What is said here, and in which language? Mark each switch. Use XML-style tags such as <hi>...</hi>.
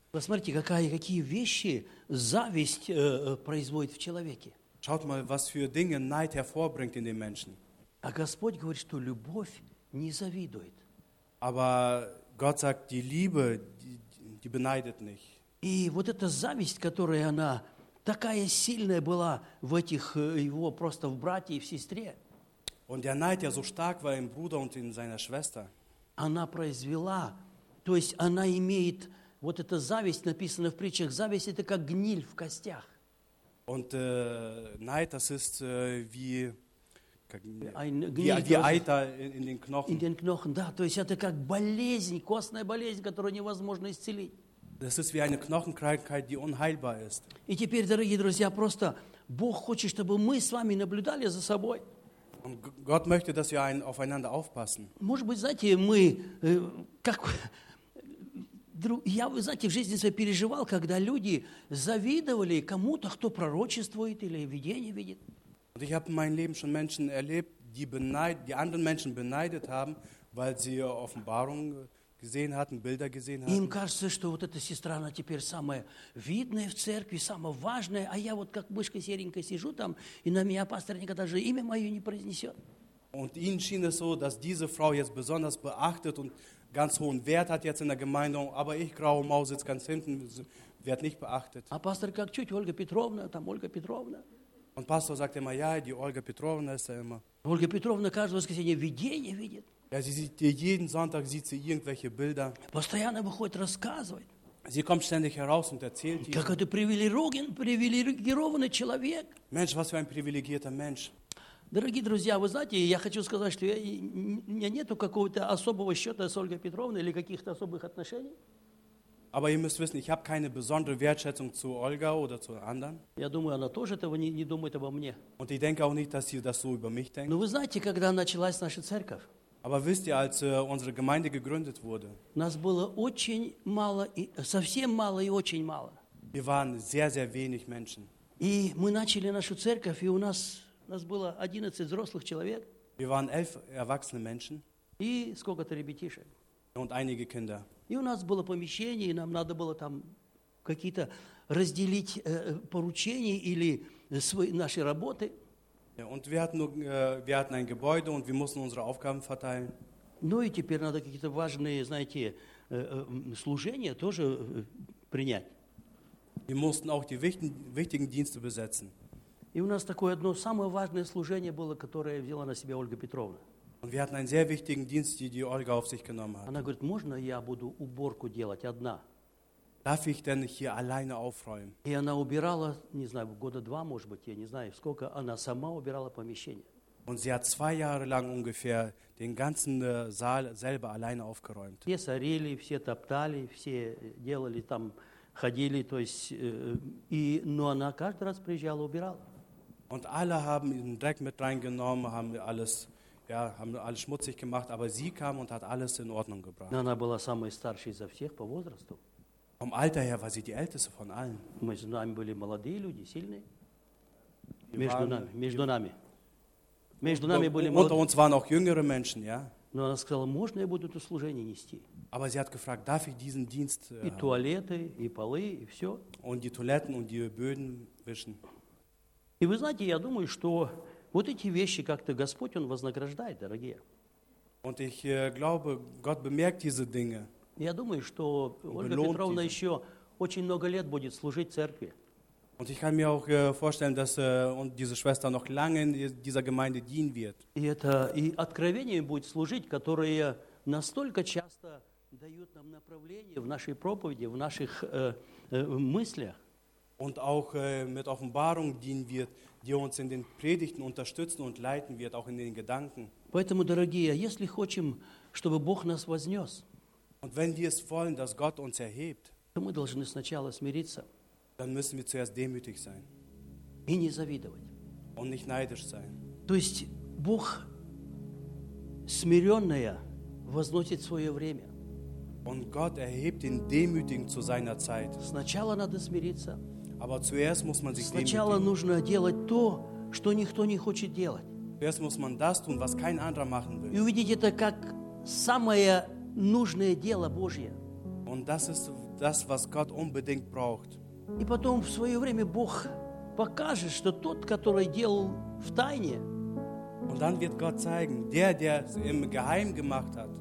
<ru>Посмотрите, какие вещи зависть производит в человеке.</ru> <de>Schaut mal, was für Dinge Neid hervorbringt in den Menschen.</de> <ru>А Господь говорит, что любовь не завидует.</ru> <de>Aber Gott sagt, die Liebe, die beneidet nicht.</de> <ru>И вот эта зависть, которая она такая сильная была в этих его просто в брате и в сестре.</ru> <de>Und der Neid, der so stark war im Bruder und in seiner Schwester.</de> <ru>Она произвела, то есть она имеет вот эта зависть, написано в притчах, зависть это как гниль в костях.</ru> <de>Und Neid, das ist wie Eiter in den Knochen. In den Knochen,</de> <ru>да, то есть это как болезнь, костная болезнь, которую невозможно исцелить.</ru> <de>Das ist wie eine Knochenkrankheit, die unheilbar ist.</de> <ru>И теперь, дорогие друзья, просто Бог хочет, чтобы мы с вами наблюдали за собой.</ru> <de>Und Gott möchte, dass wir aufeinander aufpassen.</de> <ru>Может быть, знаете, мы как я, вы знаете, в жизни своей переживал, когда люди завидовали кому-то, кто пророчествует или видение видит.</ru> <de>Und ich habe in meinem Leben schon Menschen erlebt, die anderen Menschen beneidet haben, weil sie Offenbarung gesehen hatten, Bilder gesehen hatten.</de> <ru>Им кажется, что вот эта сестра, она теперь самая видная в церкви, самая важная, а я вот как мышка серенькая сижу там, и на меня пастор никогда же имя мое не произнесет.</ru> <de>Und ihnen schien es so, dass diese Frau jetzt besonders beachtet und ganz hohen Wert hat jetzt in der Gemeinde, aber ich, graue Maus, sitze ganz hinten, wird nicht beachtet.</de> <ru>А пастор как чуть, Ольга Петровна, там Ольга Петровна.</ru> <de>Und Pastor sagt immer, ja, die Ольга Петровна ist ja immer.</de> <ru>Ольга Петровна каждое воскресенье видение видит.</ru> <de>Ja, sie sieht, jeden Sonntag sieht sie irgendwelche Bilder.</de> <ru>Постоянно выходит рассказывать.</ru> <de>Sie kommt ständig heraus und erzählt ihnen.</de> <ru>Какой ты привилегированный человек.</ru> <de>Mensch, was für ein privilegierter Mensch.</de> <ru>Дорогие друзья, вы знаете, я хочу сказать, что у меня нету какого-то особого счета с Ольгой Петровной или каких-то особых отношений.</ru> <de>Aber ihr müsst wissen, ich habe keine besondere Wertschätzung zu Olga oder zu anderen.</de> <ru>Я думаю, она тоже этого не думает обо мне.</ru> <de>Und ich denke auch nicht, dass sie das so über mich denkt.</de> <ru>Но вы знаете, когда началась наша церковь,</ru> <de>Aber wisst ihr, als unsere Gemeinde gegründet wurde,</de> <ru>нас было очень мало, совсем мало и очень мало.</ru> <de>Wir waren sehr, sehr wenig Menschen.</de> <ru>И мы начали нашу церковь, и у нас было 11 взрослых человек.</ru> <de>Wir waren 11 erwachsene Menschen.</de> <ru>И сколько-то ребятишек.</ru> <de>Und einige Kinder.</de> <ru>И у нас было помещение, и нам надо было там какие-то разделить поручения или свои наши работы.</ru> <de>Ja, und wir hatten ein Gebäude und wir mussten unsere Aufgaben verteilen.</de> <ru>Ну и теперь надо какие-то важные, знаете, служения тоже принять.</ru> <de>Wir mussten auch die wichtigen Dienste besetzen.</de> <ru>И у нас такое одно самое важное служение было, которое взяла на себя Ольга Петровна.</ru> <de>Und wir hatten einen sehr wichtigen Dienst, die Ольга auf sich genommen hat.</de> <ru>Она говорит, можно я буду уборку делать одна?</ru> <de>Darf ich denn hier alleine aufräumen?</de> <ru>И она убирала, не знаю, года два, может быть, я не знаю, сколько, она сама убирала помещение.</ru> <de>Und sie hat zwei Jahre lang ungefähr den ganzen Saal selber alleine aufgeräumt.</de> <ru>Все сорили, все топтали, все делали там, ходили, то есть, но она каждый раз приезжала, убирала.</ru> <de>Und alle haben den Dreck mit reingenommen, haben alles schmutzig gemacht, aber sie kam und hat alles in Ordnung gebracht.</de> <ru>Она была самой старшей изо всех по возрасту.</ru> <de>Vom Alter her war sie die Älteste von allen.</de> <ru>Между нами были молодые люди, сильные. Между нами. Между нами были молодые.</ru> <de>Unter uns waren auch jüngere Menschen, ja.</de> <ru>Но она сказала, можно я буду это служение нести?</ru> <de>Aber sie hat gefragt, darf ich diesen Dienst?</de> <ru>И туалеты, и полы, и все.</ru> <de>Und die Toiletten und die Böden wischen.</de> <ru>И вы знаете, я думаю, что вот эти вещи как-то Господь, Он вознаграждает, дорогие.</ru> <de>Und ich glaube, Gott bemerkt diese Dinge.</de> <ru>Я думаю, что Ольга Петровна еще очень много лет будет служить церкви.</ru> <de>Und ich kann mir auch vorstellen, dass diese Schwester noch lange in dieser Gemeinde dienen wird.</de> <ru>И это и откровение будет служить, которые настолько часто дают нам направление в нашей проповеди, в наших мыслях.</ru> <de>Und auch mit Offenbarung dienen wird, die uns in den Predigten unterstützen und leiten wird, auch in den Gedanken.</de> <ru>Поэтому, дорогие, если хотим, чтобы Бог нас вознес,</ru> <de>und wenn wir es wollen, dass Gott uns erhebt,</de> <ru>то мы должны сначала смириться,</ru> <de>dann müssen wir zuerst demütig sein</de> <ru>и не завидовать.</ru> <de>Und nicht neidisch sein.</de> <ru>То есть Бог смиренное возносит свое время.</ru> <de>Und Gott erhebt den Demütigen zu seiner Zeit.</de> <ru>Сначала надо смириться.</ru> <de>Aber zuerst muss man sich</de> <ru>сначала</ru> <de>demütigen.</de> <ru>Нужно делать то, что никто не хочет делать.</ru> <de>Zuerst muss man das tun, was kein anderer machen will.</de> <ru>И увидеть это как самое нужное дело Божье.</ru> <de>Und das ist das, was Gott unbedingt braucht.</de> <ru>И потом в свое время Бог покажет, что тот, который делал в тайне,</ru> <de>und dann wird Gott zeigen, der es im Geheimen gemacht hat,</de>